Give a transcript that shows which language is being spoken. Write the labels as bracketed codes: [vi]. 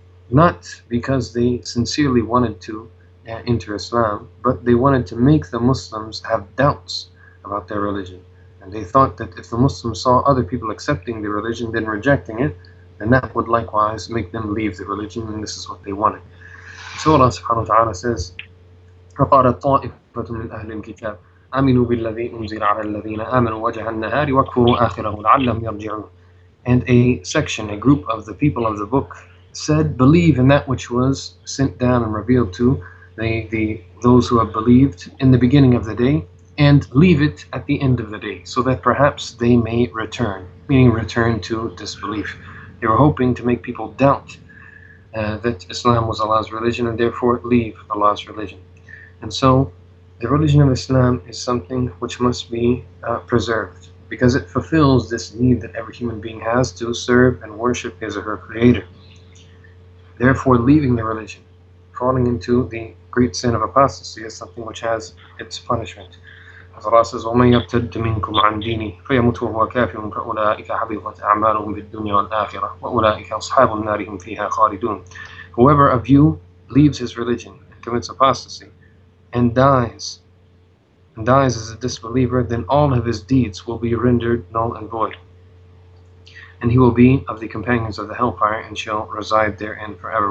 [en] Not because they sincerely wanted to enter Islam, but they wanted to make the Muslims have doubts about their religion. And they thought that if the Muslims saw other people accepting the religion then rejecting it, then that would likewise make them leave the religion, and this is what they wanted. So Allah subhanahu wa ta'ala says, [ar] فقال طائفة من أهل الكتاب آمنوا بالذي أنزل على الذين آمنوا وجه النهار وكفروا آخره لعلهم يرجعون. [en] And a section, a group of the people of the book said, believe in that which was sent down and revealed to those who have believed in the beginning of the day, and leave it at the end of the day, so that perhaps they may return, meaning return to disbelief. They were hoping to make people doubt that Islam was Allah's religion, and therefore leave Allah's religion. And so the religion of Islam is something which must be preserved, because it fulfills this need that every human being has to serve and worship his or her creator. Therefore, leaving the religion, falling into the great sin of apostasy, is something which has its punishment. As Allah says, [ar] وَمَنْ يَبْتَدِّ مِنْكُمْ عَنْ دِينِهِ فَيَمُتْ وَهُوَ كَافِرٌ فَأُولَٰئِكَ حَبِطَتْ أَعْمَالُهُمْ فِي الدُّنْيَا وَالْآخِرَةِ وَأُولَٰئِكَ أَصْحَابُ النَّارِ هُمْ فِيهَا خَالِدُونَ. [en] Whoever of you leaves his religion and commits apostasy and dies as a disbeliever, then all of his deeds will be rendered null and void, and he will be of the companions of the hellfire and shall reside therein forever.